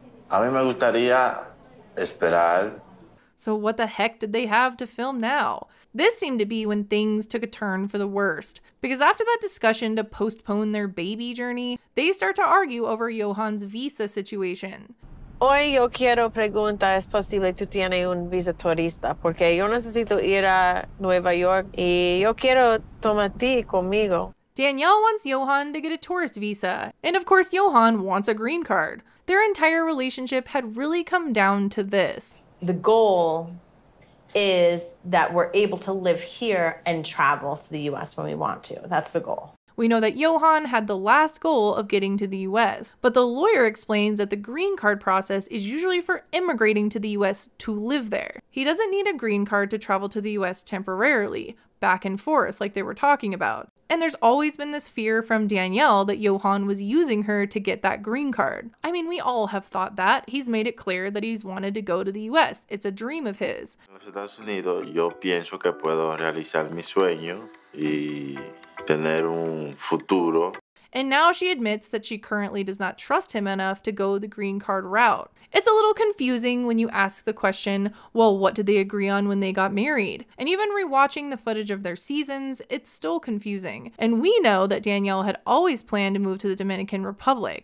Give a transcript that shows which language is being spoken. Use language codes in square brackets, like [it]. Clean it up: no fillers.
[es] A mí me gustaría esperar. [en] So what the heck did they have to film now? This seemed to be when things took a turn for the worst, because after that discussion to postpone their baby journey, they start to argue over Johan's visa situation. [es] Hoy yo quiero preguntar, ¿es posible tú tienes un visa turista? Porque yo necesito ir a Nueva York y yo quiero tomar ti conmigo. [en] Danielle wants Johan to get a tourist visa, and of course Johan wants a green card. Their entire relationship had really come down to this. The goal is that we're able to live here and travel to the U.S. when we want to. That's the goal. We know that Johan had the last goal of getting to the U.S., but the lawyer explains that the green card process is usually for immigrating to the U.S. to live there. He doesn't need a green card to travel to the U.S. temporarily, back and forth, like they were talking about. And there's always been this fear from Danielle that Johan was using her to get that green card. I mean, we all have thought that. He's made it clear that he's wanted to go to the U.S. It's a dream of his. [es] En los Estados Unidos, yo pienso que puedo realizar mi sueño y tener un futuro. [en] And now she admits that she currently does not trust him enough to go the green card route. It's a little confusing when you ask the question, well, what did they agree on when they got married? And even rewatching the footage of their seasons, it's still confusing. And we know that Danielle had always planned to move to the Dominican Republic.